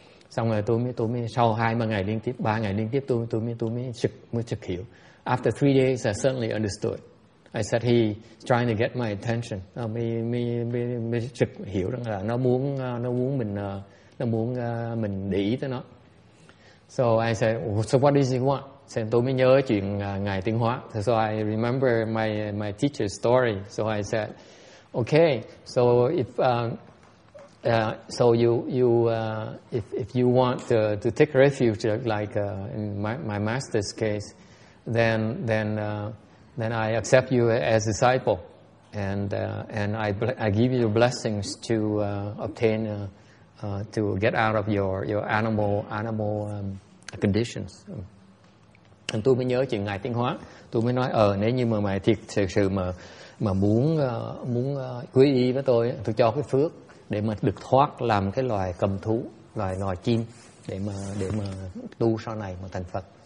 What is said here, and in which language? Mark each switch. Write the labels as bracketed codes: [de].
[vi] Xong rồi tôi mới sau 2-3 ngày liên tiếp, 3 ngày liên tiếp tôi mới trực hiểu. [en] After 3 days, I suddenly understood. I said he's trying to get my attention. [vi] Mới trực hiểu rằng là nó muốn mình để ý tới nó. [en] So I said, so what does he want? [vi] So tôi mới nhớ chuyện ngày tiến hóa. [en] So I remember my teacher's story. So I said, okay. So if you want to take refuge, like in my master's case, then I accept you as a disciple, and I give you blessings to obtain to get out of your animal conditions. [vi] And tôi mới nhớ chuyện ngài tiến hóa. Tôi mới nói, nếu như mà mày thiệt sự mà muốn quy y với tôi cho cái phước để mà được thoát làm cái loài cầm thú, loài chim để mà tu sau này mà thành Phật.